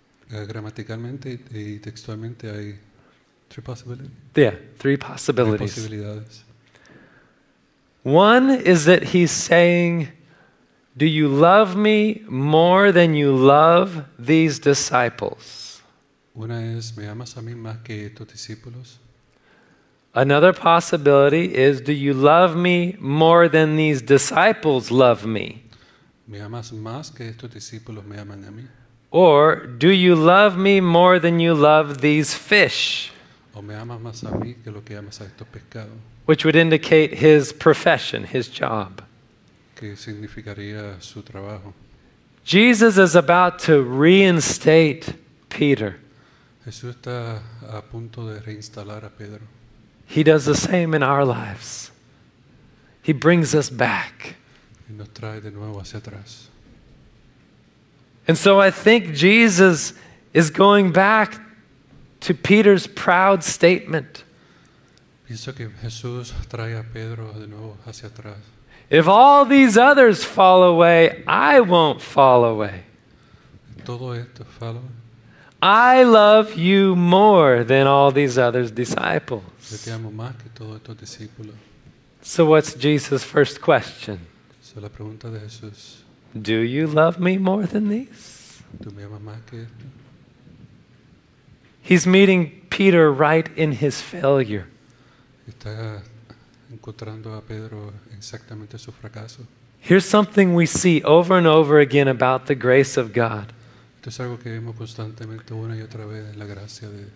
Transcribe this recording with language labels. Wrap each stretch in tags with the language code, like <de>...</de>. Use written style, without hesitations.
<es>Gramaticalmente y textualmente hay tres posibilidades.</es> <en>Yeah, three possibilities.</en> <es>Tres posibilidades.</es> <en>One is that he's saying, "Do you love me more than you love these disciples?"</en> <es>Una es, "¿Me amas a mí más que estos discípulos?"</es> <en>Another possibility is, do you love me more than these disciples love me?</en> <es>¿Me amas más que estos discípulos me aman a mí?</es> <en>Or do you love me more than you love these fish?</en> <es>¿O me amas más a mí que lo que amas a estos pescados?</es> <en>Which would indicate his profession, his job.</en> <es>¿Qué significaría su trabajo?</es> <en>Jesus is about to reinstate Peter.</en> <es>Jesús está a punto de reinstalar a Pedro.</es> <en>He does the same in our lives. He brings us back.</en> <es>Y nos trae de nuevo hacia atrás.</es> <en>And so I think Jesus is going back to Peter's proud statement.</en> <es>Pienso que Jesús trae a Pedro de nuevo hacia atrás.</es> <en>If all these others fall away, I won't fall away.</en> <es>Todo esto</es> <en>fall away. I love you more than all these others' disciples.</en> <es>Yo te amo más que todos estos discípulos.</es> <en>So what's Jesus' first question?</en> <es>So la pregunta de Jesús.</es> <en>Do you love me more than these?</en> <es>¿Tú me amas más que esto?</es> <en>He's meeting Peter right in his failure.</en> <es>Está encontrando a Pedro exactamente su fracaso.</es> <en>Here's something we see over and over again about the grace of God.</en> <es>Esto es algo que vemos constantemente una y otra vez en la gracia de.</es>